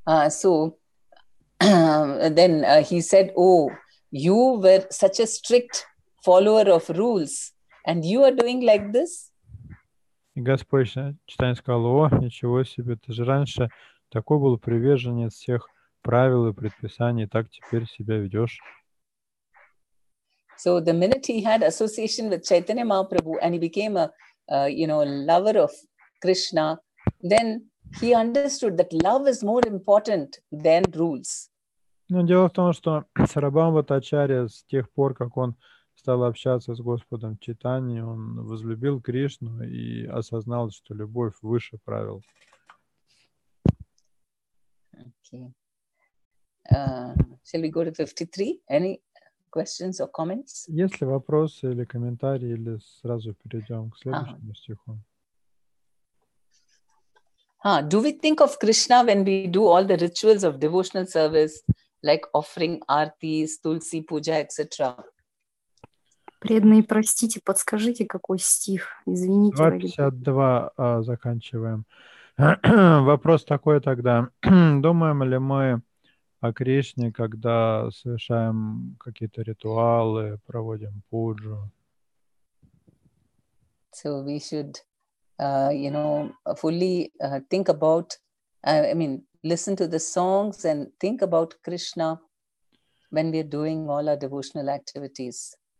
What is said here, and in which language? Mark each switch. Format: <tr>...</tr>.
<en>So then he said, oh, you were such a strict follower of rules and you are doing like this?</en> <ru>Господь Чайтанья сказал, о, ничего себе, ты же раньше такой был приверженец всех правил и предписаний, так теперь себя ведешь.</ru> <en>So the minute he had association with Chaitanya Mahaprabhu and he became a lover of Krishna, then he understood that love is more important than rules.</en> <ru>Но дело в том, что Сарабхаум Бхаттачарья с тех пор, как он стал общаться с Господом Чайтаньей, он возлюбил Кришну и осознал, что любовь выше правил.</ru> <en>Okay. Shall we go to 53? Any questions or comments?</en> <ru>Есть ли вопросы или комментарии, или сразу перейдем к следующему стиху?</ru> <en>Do we think of Krishna when we do all the rituals of devotional service, like offering aartis, tulsi puja, etc.?</en> <ru>Преданные, простите, подскажите, какой стих? Извините. 252 заканчиваем. Вопрос такой тогда. Думаем ли мы о Кришне, когда совершаем какие-то ритуалы, проводим пуджу?</ru> <en>So we should fully think about, listen to the songs and think about Krishna when we are doing all our devotional activities.</en>